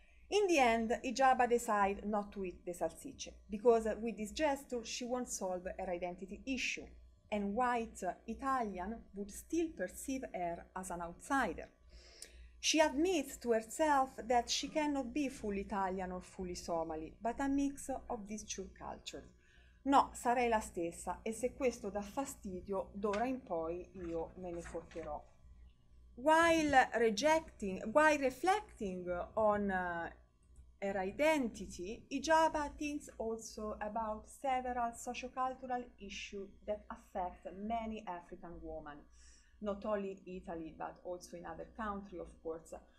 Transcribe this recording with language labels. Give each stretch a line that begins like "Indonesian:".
English: In the end, Igiaba decides not to eat the salsicce because with this gesture she won't solve her identity issue, and white Italian would still perceive her as an outsider. She admits to herself that she cannot be fully Italian or fully Somali, but a mix of these two cultures.
Italian: No, sarei la stessa, e se questo dà fastidio, d'ora in poi io me ne porterò.
English: While reflecting on her identity, Igiaba thinks also about several sociocultural issues that affect many African women, not only in Italy, but also in other countries, of course.